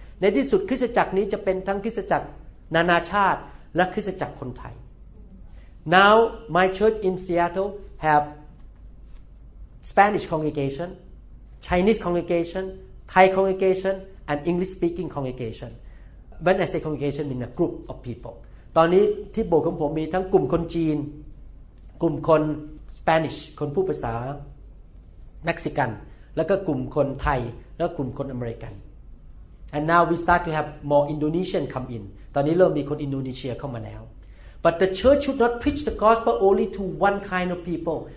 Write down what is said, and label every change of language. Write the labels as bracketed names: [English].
[Thai] ในที่สุดคริสตจักรนี้จะเป็นทั้งคริสตจักรนานาชาติและคริสตจักรคนไทย [English] Now my church in Seattle have Spanish congregation, Chinese congregation, Thai congregation, and English speaking congregation. When I say congregation, I mean a group of people. [Thai] ตอนนี้ที่โบสถ์ของผมมีทั้งกลุ่มคนจีนกลุ่มคนสเปนิชคนพูดภาษาเม็กซิกันแล้วก็กลุ่มคนไทยแล้วกลุ่มคนอเมริกัน [English] And now we start to have more Indonesian come in. [Thai] ตอนนี้เริ่มมีคนอินโดนีเซียเข้ามาแล้ว [English] But the church should not preach the gospel only to one kind of people.